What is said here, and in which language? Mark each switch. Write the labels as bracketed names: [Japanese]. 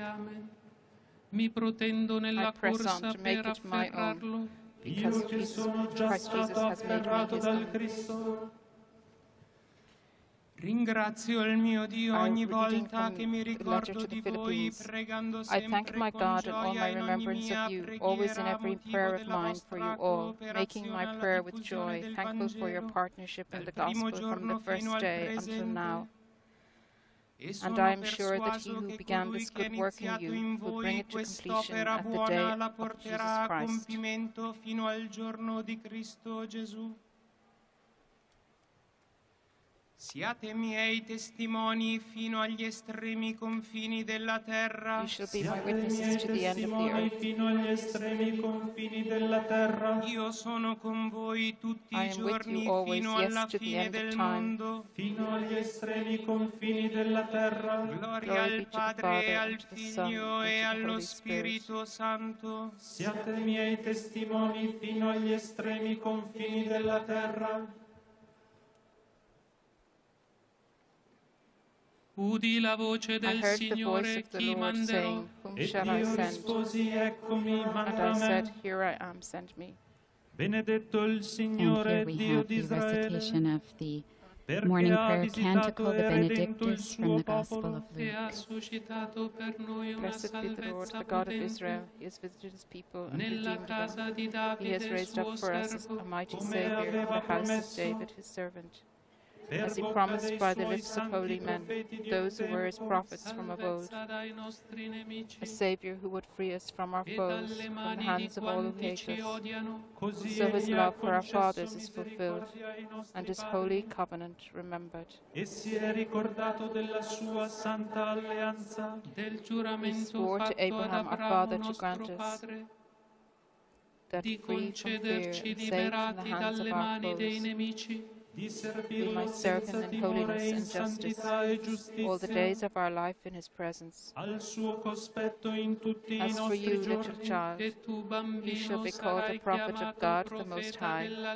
[Italian] Amen. Mi protendo nella corsa per afferrarlo. Io che sono già stato afferrato dal Cristo. Ringrazio il mio Dio ogni volta che mi ricordo di voi, pregando sempre [English] I thank my God in all my remembrance of you, always in every prayer of mine for you all, making my prayer with joy, thankful for your partnership in the gospel from the first day until now. And I am sure that he who began this good work in you will bring it to completion at the day of Jesus Christ. [Italian] Siate miei testimoni fino agli estremi confini della terra. Siate miei testimoni fino agli estremi confini della terra. Io sono con voi tutti I giorni fino alla fine del mondo. Fino agli estremi confini della terra. Gloria al Padre e al Figlio e allo Spirito Santo. Siate miei testimoni fino agli estremi confini della terra. Udi la voce del Signore, chi manderò? E io risposi, eccomi, mandami. [English] And I said, here I am, send me. [Italian] Benedetto il Signore, Dio di Israele, perché ha visitato e redento il suo popolo, e ha suscitato per noi una salvezza potente. [English] He has visited his people and [Italian] nella casa di Davide, suo servo, come aveva promesso. [English] He has raised up for us a mighty Savior, David, his servant. As he promised by the lips of holy men, those who were his prophets from of old, a Savior who would free us from our foes, from the hands of all who hate us, so his love for our fathers is fulfilled, and his holy covenant remembered. [Italian] E si è ricordato della sua santa alleanza, del giuramento fatto ad Abramo, nostro padre, [English] Abraham, our father, to grant us, that free from fear and safe in the hands of our foes, We might serve him in holiness and justice all the days of our life in his presence. As for you, little child, you shall be called the prophet of God the Most High.